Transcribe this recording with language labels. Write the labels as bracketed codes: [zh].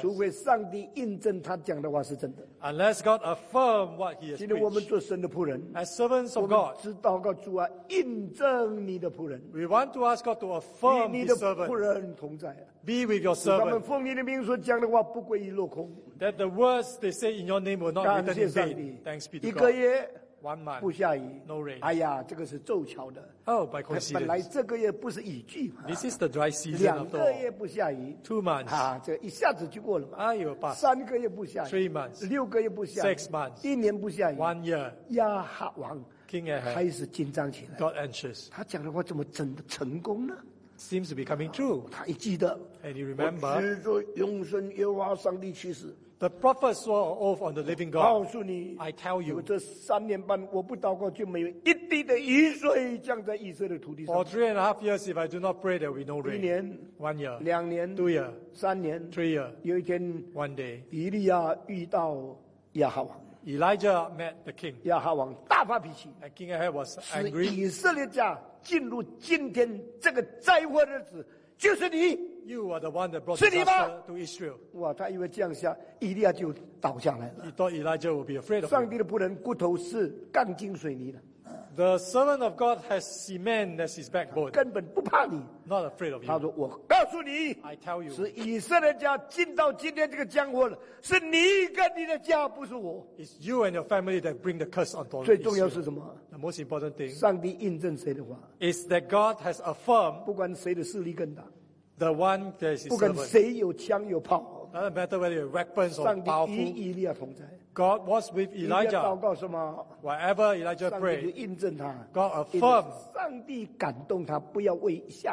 [zh] 除非上帝印证他讲的话是真的。 [en] Unless God affirm what he has preached. [zh] 今天我们做神的仆人。 [en] As servants of God. [zh] 我们只祷告主啊，印证你的仆人。 [en] We want to ask God to affirm his servant. Be with your servant. [zh] 他们奉你的名所讲的话不归于落空。 [en] That the words they say in your name will not return in vain. Thanks be to God. [zh] 一个月 [en] one month, [zh] 不下雨 [en] no rain. [zh] 哎呀，这个是凑巧的。 [en] Oh, by coincidence. [zh] 本来这个月不是雨季嘛。 [en] This is the dry season of the year. [zh] 两个月不下雨 [en] two months. [zh] 啊，这一下子就过了嘛。哎呦，爸。三个月不下雨 [en] three months. [zh] 六个月不下雨 [en] six months. [zh] 一年不下雨 [en] one year. [zh] 亚哈王。 [en] King Ahab, [zh] 开始紧张起来 [en] got anxious. [zh] 他讲的话怎么真的成功呢 [en] seems to be coming true. [zh] 他一记得 [en] and you remember, [zh] 我知道永生耶和华上帝起誓 [en] the prophet swore off on the living God. [zh] 告诉你 [en] I tell you, [zh] 这三年半我不祷告就没有一滴的雨水降在以色列土地上 [en] for three and a half years if I do not pray there will be no rain. [zh] 一年 [en] one year, [zh] 两年 [en] two years, [zh] 三年 [en] three years, [zh] 有一天 [en] one day, [zh] 以利亚遇到亚哈王 [en] Elijah met the king. [zh] 亚哈王大发脾气 [en] and King Ahab was angry. [zh] 以色列家进入今天这个灾祸日子，就是你。 [en] You are the one that brought the disaster to Israel. [zh] 哇，他以为这样下，以利亚就倒下来了。 [en] He thought Elijah would be afraid of him. [zh] 上帝的仆人骨头是钢筋水泥的。 [en] The servant of God has cement as his backbone. [zh] 根本不怕你。 [en] Not afraid of you. [zh] 他说：“我告诉你 [en] ，I tell you， [zh] 是以色列家进到今天这个江湖了，是你跟你的家，不是我。 [en] It's you and your family that bring the curse on Israel. [zh] 最重要是什么 [en] ？The most important thing. [zh] 上帝印证谁的话 [en] ？Is that God has affirmed. [zh] 不管谁的势力更大 [en] ，The one that is servant. [zh] 不管谁有枪有炮 [en] ，Doesn't matter whether you have weapons or powerful. [zh] 上帝与以利亚同在。 [en] God was with Elijah. Whatever Elijah prayed, God affirmed.